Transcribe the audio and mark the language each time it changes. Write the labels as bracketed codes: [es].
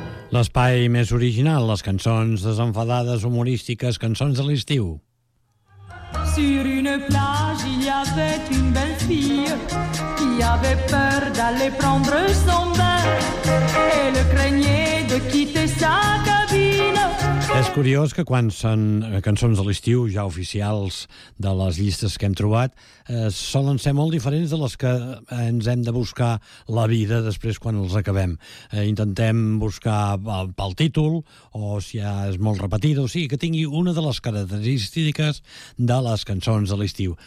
[ca] L'espai més original, les cançons desenfadades, humorístiques, cançons de l'estiu. [fr] Sur une plage, il y avait une belle fille qui avait peur d'aller prendre son bain. Elle craignait de quitter sa cabine. [ca] És curiós que quan són cançons de l'estiu, ja oficials de les llistes que hem trobat, solen ser molt diferents de les que ens hem de buscar la vida després quan els acabem. Intentem buscar pel títol, o si ja és molt repetida, o sigui, que tingui una de les característiques de les cançons de l'estiu.